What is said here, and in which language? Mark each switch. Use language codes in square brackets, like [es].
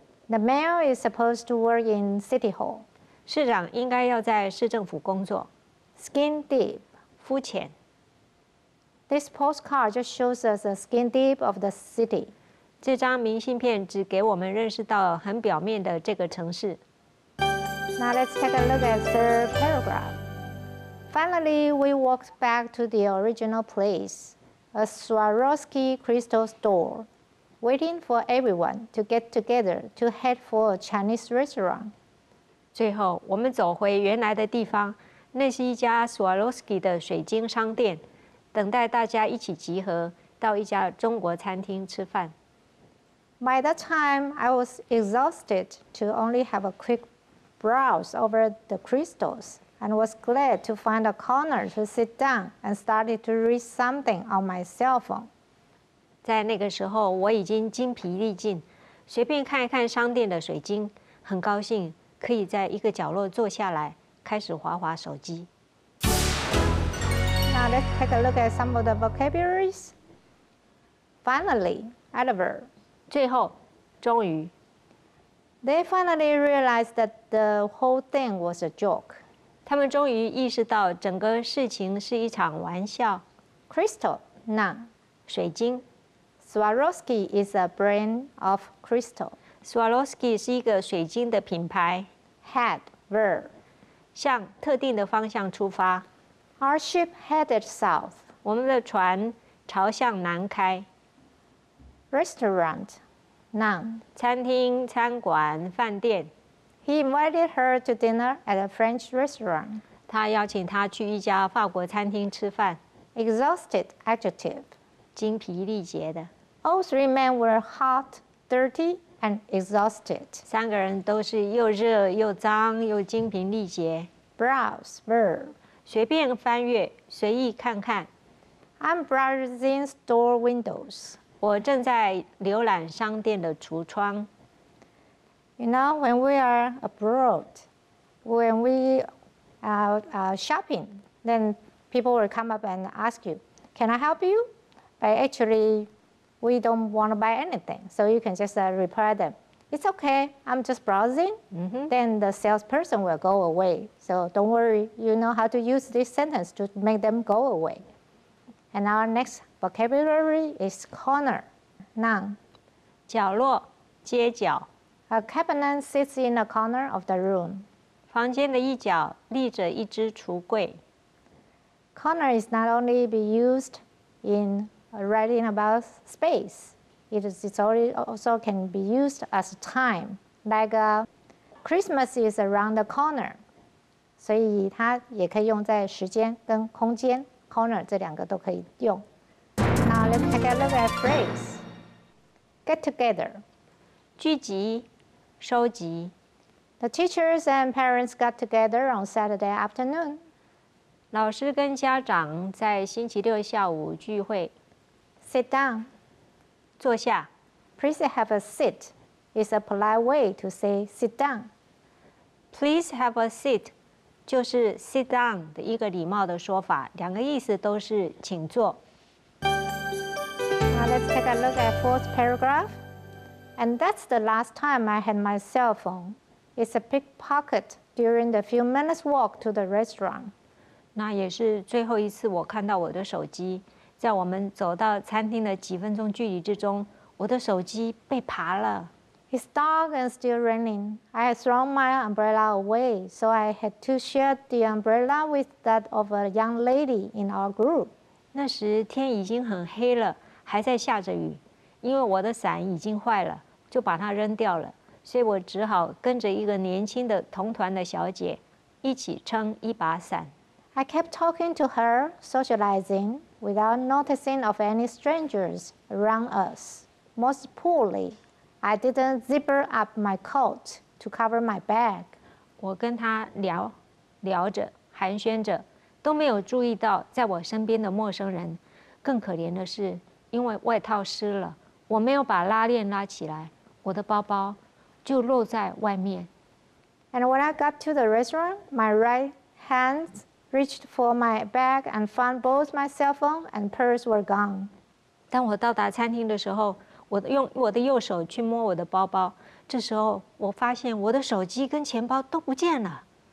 [en] The mayor is supposed to work in City Hall. [zh] 市长应该要在市政府工作。 [en] Skin deep, [zh] 肤浅。 [en] This postcard just shows us the skin deep of the city. [zh] 这张明信片只给我们认识到很表面的这个城市。 [en] Now let's take a look at the third paragraph. Finally, we walked back to the original place, a Swarovski crystal store, waiting for everyone to get together to head for a Chinese restaurant. [zh] 最后，我们走回原来的地方。那是一家 Swarovski 的水晶商店，等待大家一起集合到一家中国餐厅吃饭。 [en] By that time, I was exhausted to only have a quick browse over the crystals and was glad to find a corner to sit down and started to read something on my cell phone. [zh] 在那个时候，我已经精疲力尽，随便看一看商店的水晶，很高兴可以在一个角落坐下来。开始滑滑手机。 [en] Now let's take a look at some of the vocabularies. Finally, adverb. [zh] 最后，终于。 [en] They finally realized that the whole thing was a joke. [zh] 他们终于意识到整个事情是一场玩笑。 [en] Crystal, none. [zh] 水晶。 [en] Swarovski is a brand of crystal. [zh] Swarovski 是一个水晶的品牌。 [en] Head, verb. [zh] 向特定的方向出发。 [en] Our ship headed south. [zh] 我们的船朝向南开。 [en] Restaurant, none. [zh] 餐厅、餐馆、饭店。 [en] He invited her to dinner at a French restaurant. [zh] 他邀请她去一家法国餐厅吃饭。 [en] Exhausted adjective. [zh] 精疲力竭的。 [en] All three men were hot, dirty, and exhausted. [zh] 三个人都是又热又脏又精疲力竭。 [en] Browse, verb. [zh] 随便翻阅，随意看看。 [en] I'm browsing store windows. 我正在浏览商店的橱窗。 You know, when we are abroad, when we are shopping, then people will come up and ask you, can I help you? But actually, we don't want to buy anything. So you can just reply them, it's okay, I'm just browsing. Mm-hmm. Then the salesperson will go away. So don't worry, you know how to use this sentence to make them go away. And our next vocabulary is corner, noun. [zh] 角落，街角。 [en] A cabinet sits in a corner of the room. [zh] 房间的一角立着一只橱柜。 [en] Corner is not only be used in writing about space. It is also can be used as time. Like Christmas is around the corner. [zh] 所以它也可以用在时间跟空间。 [en] Corner [zh] 这两个都可以用。 [en] Now let's take a look at phrase. Get together. [zh] 聚集。收集。 [en] The teachers and parents got together on Saturday afternoon. [zh] 老师跟家长在星期六下午聚会。 [en] Sit down. [zh] 坐下。 [en] Please have a seat. It's a polite way to say sit down. Please have a seat. [zh] 就是 [en] sit down [zh] 的一个礼貌的说法，两个意思都是请坐。 [en] Now let's take a look at fourth paragraph. And that's the last time I had my cell phone. It's a pickpocket during the few minutes walk to the restaurant. [zh] 那也是最后一次我看到我的手机，在我们走到餐厅的几分钟距离之中，我的手机被扒了。 [en] It's dark and still raining. I had thrown my umbrella away, so I had to share the umbrella with that of a young lady in our group. [zh] 那时天已经很黑了，还在下着雨。因为我的伞已经坏了，就把它扔掉了，所以我只好跟着一个年轻的同团的小姐一起撑一把伞。 [en] I kept talking to her, socializing, without noticing of any strangers around us. Most poorly, I didn't zipper up my coat to cover my bag. [zh] 我跟她聊，聊着，寒暄着，都没有注意到在我身边的陌生人。更可怜的是，因为外套湿了。我没有把拉链拉起来，我的包包就露在外面。 [en] And when I got to the restaurant, my right hand reached for my bag and found both my cell phone and purse were gone. [zh] 当我到达餐厅的时候，我用我的右手去摸我的包包，这时候我发现我的手机跟钱包都不见了。